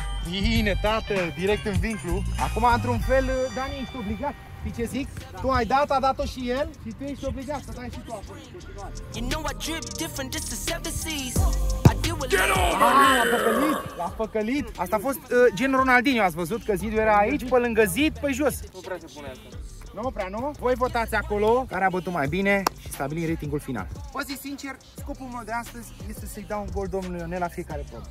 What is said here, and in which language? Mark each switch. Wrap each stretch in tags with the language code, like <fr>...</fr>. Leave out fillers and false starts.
<ro>Bine, tată, direct în vincul. Acum, într-un fel, Dani, ești obligat. Știi ce zic? Da. Tu ai dat, a dat-o și el. Și tu ești obligat să dai și tu apoi.</ro> <en>You know I drip different, just the seven seas. Get over here!</en> <ro>L-a păcălit! Asta a fost gen Ronaldinho, ați văzut că zidul era aici, pe lângă zid, pe jos. Nu prea se pune asta. Nu, prea nu. Voi votați acolo care a bătut mai bine și stabilim ratingul final. Vă zic sincer, scopul meu de astăzi este să-i dau un gol domnului Ionel la fiecare pot.</ro>